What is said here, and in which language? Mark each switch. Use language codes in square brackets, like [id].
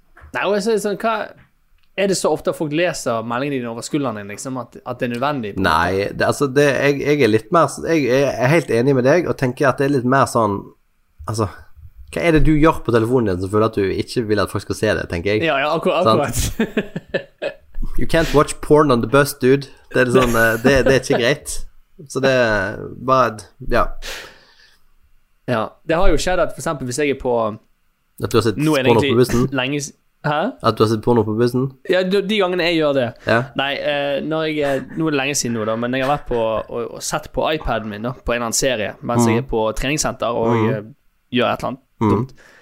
[no] Nei, og jeg sier sånn, er det så ofte at folk leser meldingen dine over skulderen din, liksom, at det er nødvendig? Nei, jeg er litt mer, jeg er helt enig med deg, og tenker at det er litt mer sånn, altså, hva er det du gjør på telefonen din som føler at du ikke vil at folk skal se det, tenker jeg. Ja, akkurat. [en] You can't watch porn on the bus, dude. [no] Det er sånn, det er ikke greit. Så det er bare, ja. Ja, det har jo skjedd at for eksempel hvis jeg er på... At du har sett spåler på bussen? Lenge, Hæ? At du har sett porno på bussen? Ja, de gangene jeg gjør det. Ja. Nei, når jeg, nå er det lenge siden nå da, men jeg har vært på og sett på iPaden min da, på en eller annen serie, mens jeg er på treningssenter og gjør et eller annet dumt.